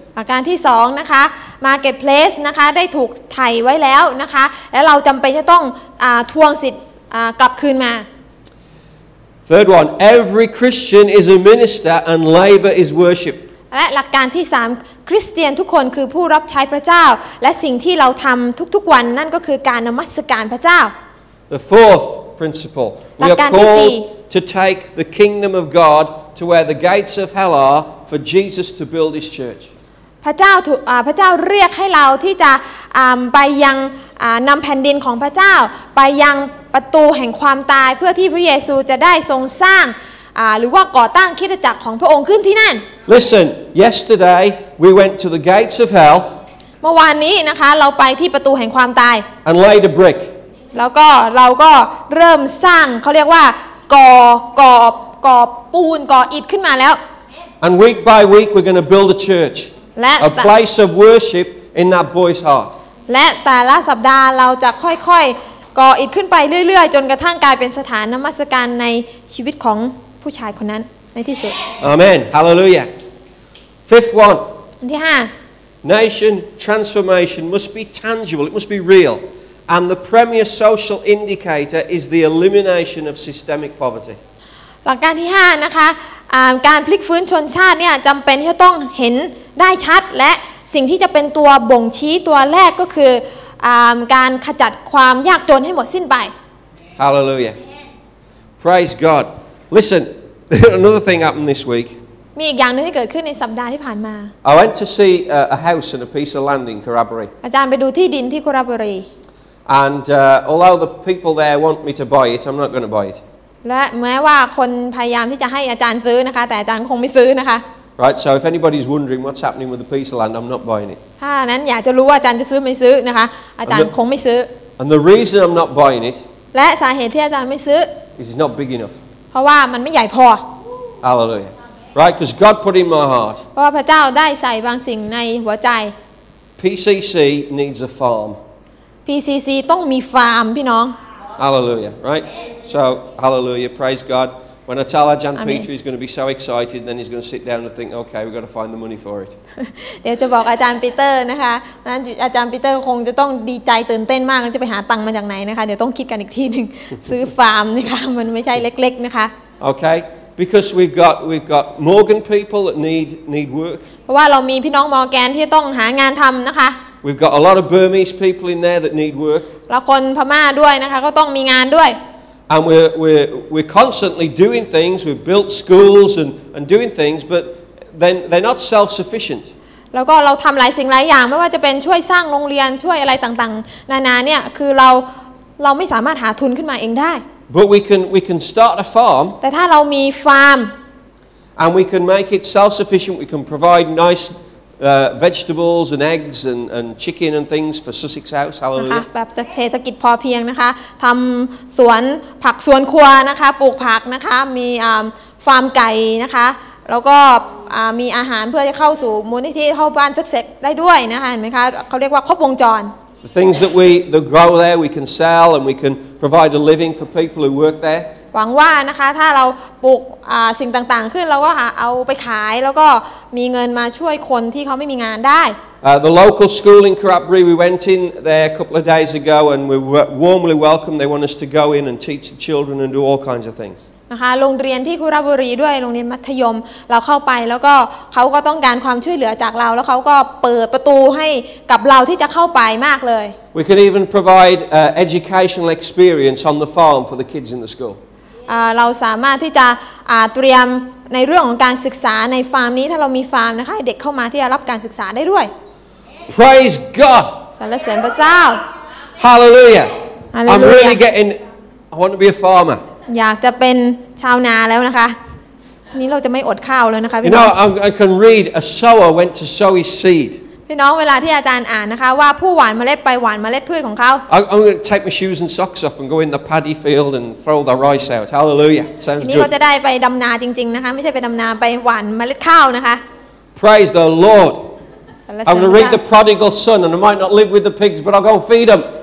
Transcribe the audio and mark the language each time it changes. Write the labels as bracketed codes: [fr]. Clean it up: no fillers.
[th] ประการที่สองนะคะ marketplace นะคะได้ถูกไถไว้แล้วนะคะแล้วเราจำเป็นจะต้องทวงสิทธิ์กลับคืนมา [en] Third one, every Christian is a minister and labor is worship. [th] และหลักการที่3คริสเตียนทุกคนคือผู้รับใช้พระเจ้าและสิ่งที่เราทำทุกๆวันนั่นก็คือการนมัสการพระเจ้า [en] The fourth principle, we are called to take the kingdom of God to where the gates of hell are for Jesus to build his church. [th] พระเจ้าเรียกให้เราที่จะไปยังนำแผ่นดินของพระเจ้าไปยังประตูแห่งความตายเพื่อที่พระเยซูจะได้ทรงสร้างหรือว่าก่อตั้งคริสตจักรของพระองค์ขึ้นที่นั่น [en] Listen yesterday we went to the gates of hell [th] เมื่อวานนี้นะคะเราไปที่ประตูแห่งความตาย [en] And laid a brick [th] แล้วก็เราก็เริ่มสร้างเขาเรียกว่าก่อปูนก่ออิฐขึ้นมาแล้ว [en] And week by week we're going to build a church [th] และ [en] a place of worship in that boy's heart [th] และแต่ละสัปดาห์เราจะค่อยๆก่ออิฐขึ้นไปเรื่อยๆจนกระทั่งกลายเป็นสถานนมัสการในชีวิตของผู้ชายคนนั้นในที่สุด อาเมนฮาเลลูยา [en] Fifth one [th] อันที่5 [en] Nation transformation must be tangible it must be real and the premier social indicator is the elimination of systemic poverty [th] หลักการที่5นะคะการพลิกฟื้นชนชาติเนี่ยจำเป็นที่ต้องเห็นได้ชัดและสิ่งที่จะเป็นตัวบ่งชี้ตัวแรกก็คือการขจัดความยากจนให้หมดสิ้นไป [en] Hallelujah Praise God Listen another thing happened this week [th] มีอีกอย่างนึงที่เกิดขึ้นในสัปดาห์ที่ผ่านมา [en] I went to see a house and a piece of land in Corroboree [th] อาจารย์ไปดูที่ดินที่ Corroboree [en] And although the people there want me to buy it I'm not going to buy it [th] และแม้ว่าคนพยายามที่จะให้อาจารย์ซื้อนะคะแต่อาจารย์คงไม่ซื้อนะคะ [en] Right, so if anybody's wondering what's happening with the piece of land, I'm not buying it. [th] ถ้านั้นอยากจะรู้ว่าอาจารย์จะซื้อไม่ซื้อนะคะอาจารย์คงไม่ซื้อ [en] And the reason I'm not buying it [th] และสาเหตุที่อาจารย์ไม่ซื้อ [en] is it's not big enough. [th] เพราะว่ามันไม่ใหญ่พอ [en] Hallelujah. Right, because God put in my heart. [th] เพราะพระเจ้าได้ใส่บางสิ่งในหัวใจ [en] PCC needs a farm. [th] PCC ต้องมีฟาร์มพี่น้อง [en] Hallelujah. Right. So Hallelujah. Praise God. When I tell Ajahn Peter he's going to be so excited, then he's going to sit down and think, okay, we've got to find the money for it. [th] เดี๋ยวจะบอกอาจารย์ปีเตอร์นะคะนั้นอาจารย์ปีเตอร์คงจะต้องดีใจตื่นเต้นมากแล้วจะไปหาตังค์มาจากไหนนะคะเดี๋ยวต้องคิดกันอีกทีนึงซื้อฟาร์มนะคะมันไม่ใช่เล็กๆนะคะ [en] Okay, because we've got Morgan people that need work. [th] เพราะว่าเรามีพี่น้องมอร์แกนที่ต้องหางานทำนะคะ [en] We've got a lot of Burmese people in there that need work. [th] แล้วคนพม่าด้วยนะคะก็ต้องมีงานด้วย [en] And we're constantly doing things. We've built schools and doing things, but then they're not self-sufficient. [th] แล้วก็เราทำหลายสิ่งหลายอย่างไม่ว่าจะเป็นช่วยสร้างโรงเรียนช่วยอะไรต่างๆนานาเนี่ยคือเราไม่สามารถหาทุนขึ้นมาเองได้ [en] But we can start a farm. [th] แต่ถ้าเรามีฟาร์ม [en] And we can make it self-sufficient. We can provide nice Vegetables and eggs and chicken and things for Sussex House. Hallelujah. [th] แบบเศรษฐกิจพอเพียงนะคะทำสวนผักสวนครัวนะคะปลูกผักนะคะมีฟาร์มไก่นะคะแล้วก็มีอาหารเพื่อจะเข้าสู่มูลนิธิเข้าบ้านSussexได้ด้วยนะคะเห็นไหมคะเขาเรียกว่าครบวงจร [en] The things that we that grow there we can sell and we can provide a living for people who work there. [th] หวังว่านะคะถ้าเราปลูกสิ่งต่างๆขึ้นเราก็หาเอาไปขายแล้วก็มีเงินมาช่วยคนที่เขาไม่มีงานได้ [en] The local school in Kurupri we went in there a couple of days ago and we were warmly welcomed they want us to go in and teach the children and do all kinds of things [th] นะคะโรงเรียนที่คุรบุรีด้วยโรงเรียนมัธยมเราเข้าไปแล้วก็เขาก็ต้องการความช่วยเหลือจากเราแล้วเขาก็เปิดประตูให้กับเราที่จะเข้าไปมากเลย [en] We can even provide educational experience on the farm for the kids in the school [th] เราสามารถที่จะเตรียมในเรื่องของการศึกษาในฟาร์มนี้ถ้าเรามีฟาร์มนะคะเด็กเข้ามาที่จะรับการศึกษาได้ด้วย [en] Praise God [th] สรรเสริญพระเจ้า [en] Hallelujah I'm really getting I want to be a farmer [th] อยากจะเป็นชาวนาแล้วนะคะนี้เราจะไม่อดข้าวแล้วนะคะพี่ น้ อง [en] You know I can read a sower went to sow his seed [th] พี่น้องเวลาที่อาจารย์อ่านนะคะว่าผู้หว่านเมล็ดไปหว่านเมล็ดพืชของเขา [en] I'm going to take my shoes and socks off and go in the paddy field and throw the rice out. Hallelujah. Sounds good. [th] นี่เราจะได้ไปดำนาจริงๆนะคะไม่ใช่ไปดำนาไปหว่านเมล็ดข้าวนะคะ [en] Praise the Lord. I'm going to read the prodigal son and I might not live with the pigs but I'll go feed them.